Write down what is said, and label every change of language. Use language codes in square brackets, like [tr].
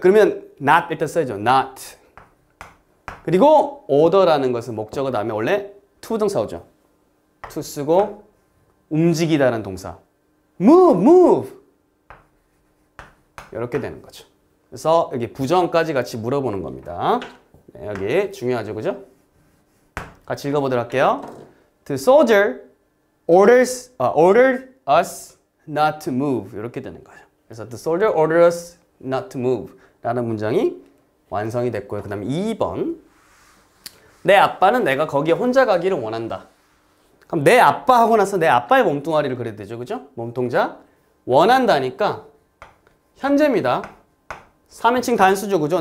[ko] 그러면 not 일단 써야죠. not. 그리고 order라는 것은 목적어 다음에 원래 to 동사 오죠. to 쓰고 움직이다라는 동사. [en] move, move. [ko] 이렇게 되는 거죠. 그래서 여기 부정까지 같이 물어보는 겁니다. 네, 여기 중요하죠, 그죠? 같이 읽어보도록 할게요. [en] The soldier orders, ordered us not to move. [ko] 이렇게 되는 거죠. 그래서 [en] the soldier ordered us not to move. [ko] 라는 문장이 완성이 됐고요. 그 다음에 2번. 내 아빠는 내가 거기에 혼자 가기를 원한다. 그럼 내 아빠 하고 나서 내 아빠의 몸뚱아리를 그려야 되죠. 그죠? 몸통자. 원한다니까 현재입니다. 3인칭 단수죠. 그죠?